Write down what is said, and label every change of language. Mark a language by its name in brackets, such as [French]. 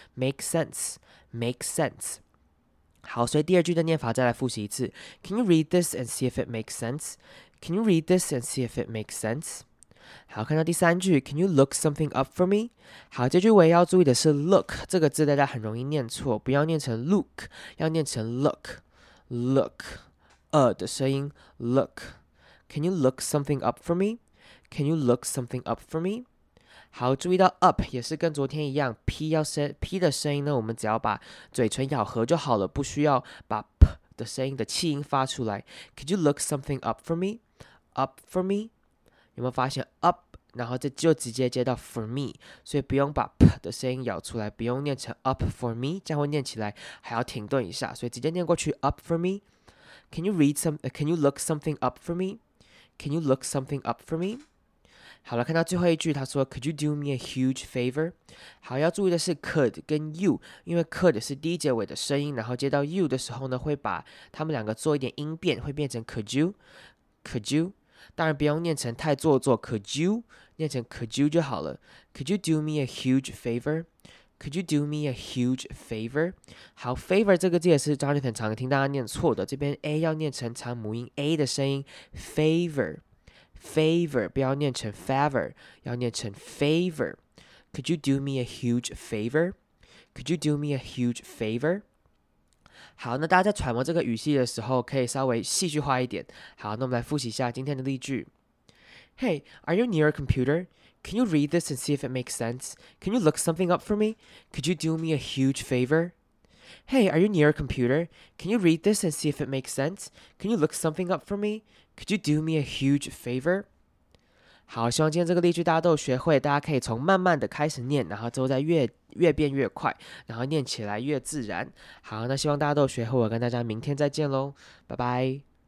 [English] Make sense, make sense。 [Chinese] 好，所以第二句的念法再来复习一次。 [English] Can you read this and see if it makes sense? Can you read this and see if it makes sense? [Chinese] 好，看到第三句 [English] Can you look something up for me? [Chinese] 好，这句我也要注意的是 look 这个字大家很容易念错，不要念成 look， 要念成 look， look， 的声音 look。 [English] Can you look something up for me? Can you look something up for me? [Chinese] 好，注意到 up 也是跟昨天一样 P 的声音呢，我们只要把嘴唇咬合就好了，不需要把 P 的声音的气音发出来。 [English] Could you look something up for me? Up for me? [Chinese] 有没有发现 up， 然后这就直接接到 for me， 所以不用把 p 的声音咬出来，不用念成 [English] up for me， [Chinese] 这样会念起来还要停顿一下，所以直接念过去 up for me。 [English] Can you read some？ Can you look something up for me？ Can you look something up for me？ [Chinese] 好了，看到最后一句，他说 [English] Could you do me a huge favor？ [Chinese] 好，要注意的是 could 跟 you， 因为 could 是 d 结尾的声音，然后接到 you 的时候呢，会把他们两个做一点音变，会变成 could you？ Could you？当然不用念成太做作 ，Could you 念成 Could you 就好了。 [English] Could you do me a huge favor? Could you do me a huge favor? [Chinese] 好 ，favor 这个字也是 Jonathan 常听大家念错的。这边 a 要念成长母音 a 的声音 ，favor， 不要念成 favor， 要念成 favor。 [English] Could you do me a huge favor? Could you do me a huge favor? [Chinese] 好，那大家在揣摩这个语气的时候，可以稍微戏剧化一点。好，那我们来复习一下今天的例句。 [English] Hey, are you near a computer? Can you read this and see if it makes sense? Can you look something up for me? Could you do me a huge favor? Hey, are you near a computer? Can you read this and see if it makes sense? Can you look something up for me? Could you do me a huge favor? [Chinese] 好，希望今天这个例句大家都有学会，大家可以从慢慢的开始念，然后之后再 越变越快，然后念起来越自然。好，那希望大家都有学会，我跟大家明天再见咯，拜拜。